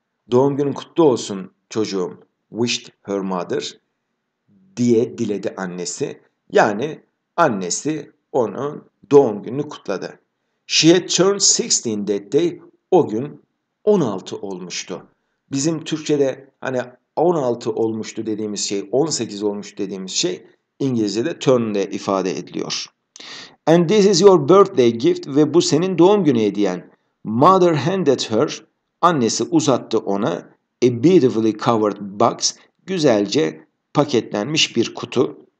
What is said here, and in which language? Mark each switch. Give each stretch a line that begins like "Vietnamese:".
Turkish: Doğum günün kutlu olsun çocuğum,
English: wished her mother,
Turkish: diye diledi annesi. Yani annesi onun doğum gününü kutladı.
English: She had turned 16 that day,
Turkish: o gün 16 olmuştu. Bizim Türkçe'de hani 16 olmuştu dediğimiz şey, 18 olmuştu dediğimiz şey, İngilizce'de turn'de ifade ediliyor.
English: And this is your birthday gift,
Turkish: ve bu senin doğum günü hediyen.
English: Mother handed her,
Turkish: annesi uzattı ona,
English: a beautifully covered box,
Turkish: güzelce paketlenmiş bir kutu.